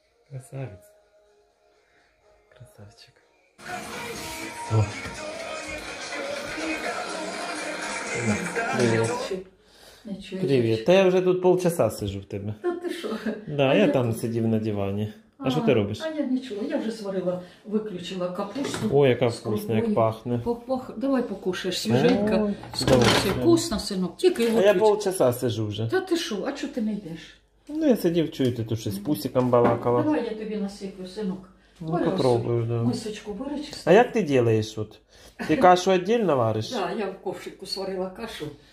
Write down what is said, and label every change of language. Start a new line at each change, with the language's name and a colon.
Russian: Красавец. Красавчик. О. Привет. Привет. Та я уже тут полчаса сижу в тебе.
Ukrainian: Да ти що? Да, я там тут... сидів на дивані. А що ти робиш? А я нічого, я вже сварила, виключила капусту. О, яка вкусна, як пахне. Давай покушаєш, свіженька. Вкусно, синок, тільки його п'ють. А я полчаса сижу вже. Та ти що, а чого ти не йдеш? Ну я сидів, чую, ти тут щось пусіком балакала. Давай я тобі насиплю, синок.
Russian: Ну, попробую, да.
Ukrainian: Мисочку вирочисти. А як ти ділаєш тут? Ти кашу віддільно вариш? Так, я в ковшику сварила кашу.